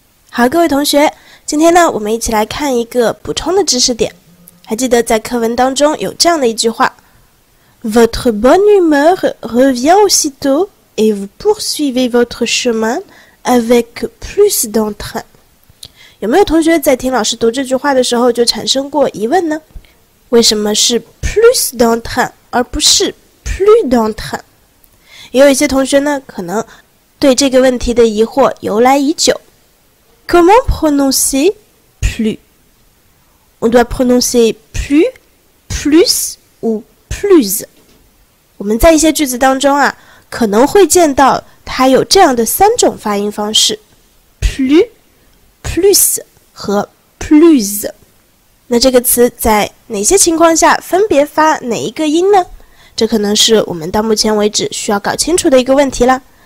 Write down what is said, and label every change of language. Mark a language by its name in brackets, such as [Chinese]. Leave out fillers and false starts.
[Chinese] 好，各位同学，今天呢，我们一起来看一个补充的知识点。还记得在课文当中有这样的一句话 ： [French] Votre bonne humeur revient aussitôt et vous poursuivez votre chemin avec plus d'entrain。 [Chinese] 有没有同学在听老师读这句话的时候就产生过疑问呢？为什么是 plus d'entrain 而不是 plus d'entrain？也有一些同学呢，可能对这个问题的疑惑由来已久。 [French] Comment prononcer plus? On doit prononcer plus, plus ou plus? [Chinese] 我们在一些句子当中啊，可能会见到它有这样的三种发音方式 plus,plus 和 plus， 那这个词在哪些情况下分别发哪一个音呢？这可能是我们到目前为止需要搞清楚的一个问题了。